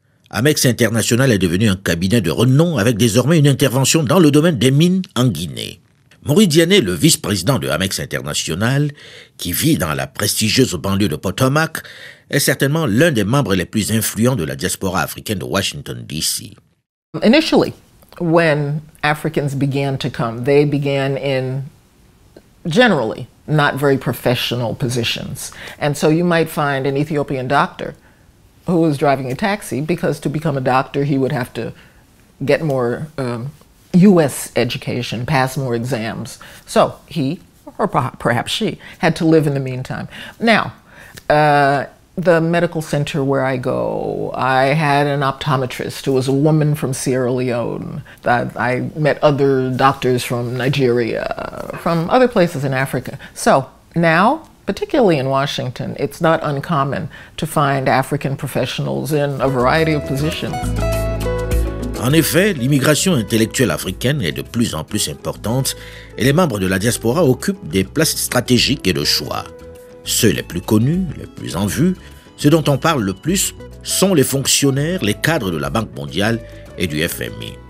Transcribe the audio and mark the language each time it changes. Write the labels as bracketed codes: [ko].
[fr] Amex International est devenu un cabinet de renom avec désormais une intervention dans le domaine des mines en Guinée. Maury Diané, le vice-président de Amex International, qui vit dans la prestigieuse banlieue de Potomac, est certainement l'un des membres les plus influents de la diaspora africaine de Washington, D.C. [en] Initially, when Africans began to come, they began in generally not very professional positions. And so you might find an Ethiopian doctor who was driving a taxi because to become a doctor, he would have to get more U.S. education, pass more exams. So he, or perhaps she, had to live in the meantime. Now, the medical center where I go, I had an optometrist who was a woman from Sierra Leone. I met other doctors from Nigeria, from other places in Africa. So now, particularly in Washington, it's not uncommon to find African professionals in a variety of positions. [fr] En effet, l'immigration intellectuelle africaine est de plus en plus importante et les membres de la diaspora occupent des places stratégiques et de choix. Ceux les plus connus, les plus en vue, ceux dont on parle le plus, sont les fonctionnaires, les cadres de la Banque mondiale et du FMI.